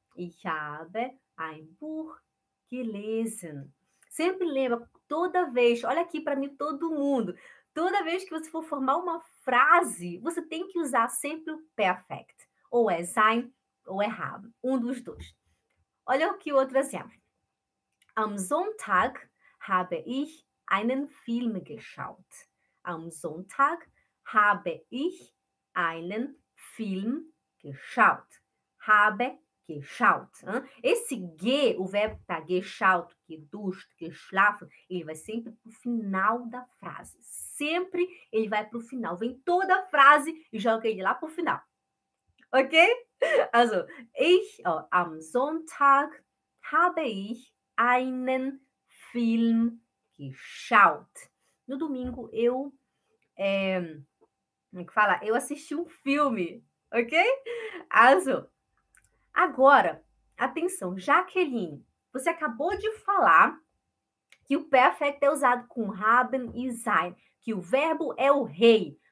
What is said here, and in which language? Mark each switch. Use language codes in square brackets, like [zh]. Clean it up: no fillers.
[de] Ich habe ein Buch gelesen. [pt] Sempre lembra, toda vez, olha aqui para mim todo mundo, toda vez que você for formar uma frase, você tem que usar sempre o perfect. Ou é sein ou é haben. Um dos dois. Olha aqui outro exemplo. [de] Am Sonntag habe ich einen Film geschaut. Am Sonntag habe ich einen Film geschaut. [pt] Habe geschaut. Esse ge, o verbo tá geschaut, geduscht, geschlafen, ele vai sempre pro final da frase. Sempre ele vai pro final. Vem toda a frase e joga ele lá pro final. [de] Also, am Sonntag habe ich einen Film geschaut. [pt] No domingo eu, como é que fala? Eu assisti um filme, ok? Also, agora, atenção, Jaqueline, você acabou de falar que o perfect é usado com haben e sein, que o verbo é o rei.